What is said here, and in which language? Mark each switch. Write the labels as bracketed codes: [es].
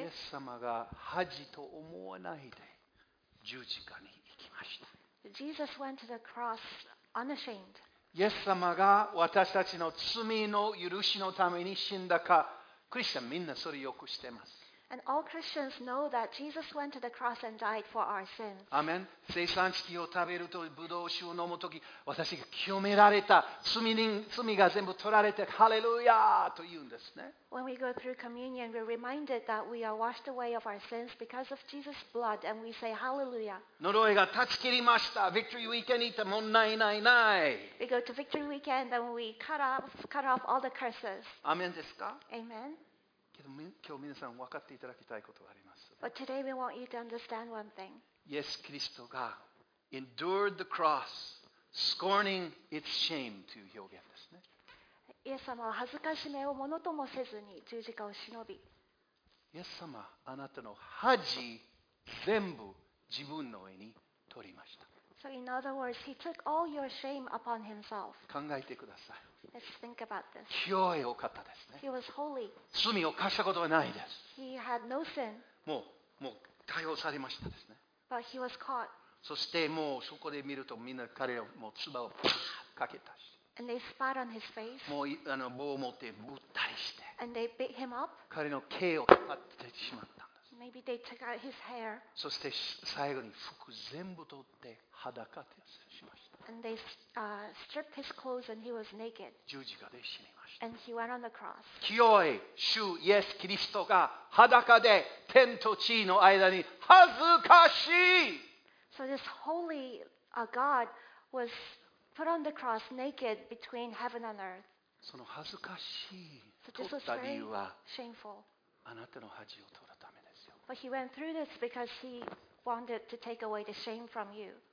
[ja] イエス様が恥と思わないで十字架に行きました。 [en] Jesus went to the cross unashamed. [ja] イエス様が私たちの罪の許しのために死んだか、クリスチャンみんなそれよく知ってます。 [en] And all Christians know that Jesus went to the cross and died for our sins. [ja] アメン。聖餐式を食べるとブドウ酒を飲むとき、私が清められた罪が全部取られて、ハレルヤーと言うんですね。 [en] When we go through communion, we're reminded that we are washed away of our sins because of Jesus' blood, and we say hallelujah. [ja] 呪いが断ち切りました。 Victory Weekend にてもないないない。 [en] We go to Victory Weekend and we cut off all the curses. [ja] アメンですか？ [en] Amen. [ja] 今日皆さん分かっていただきたいことがあります。 [en] But today we want you to understand one thing. Yes, Christ が endured the cross, scorning its shame [ja] という表現ですね。イエス様は恥ずかしめをものともせずに十字架を忍び。イエス様、あなたの恥全部自分の上に取りました。 [en] So in other words, he took all your shame upon himself. [ja] 考えてください。 [en] Let's think about this. [ja] 清いお方ですね。 [en] He was holy. [ja] 罪を犯したことはないです。 [en] He had no sin. [ja] もう解放されましたですね。 [en] But he was caught. [ja] そしてもうそこで見るとみんな彼はもう唾をパッかけたし。 [en] And they spat on his face. [ja] もう棒を持ってぶったりして。 [en] And they beat him up. [ja] 彼の毛を引っ張ってしまった。 [en] Maybe they took out his hair. [ja] そして最後に服全部取って裸でしました。 [en] And they stripped his clothes and he was naked. [ja] 十字架で死にました。 [en] And he went on the cross. [ja] 清い主イエス・キリストが裸で天と地の間に恥ずかしい。 [en] So this holy God was put on the cross naked between heaven and earth. [ja] その恥ずかしい取った理由は、 [en] shameful. [ja] あなたの恥を取るため。 [en] But he went through this because he wanted to take away the shame from you.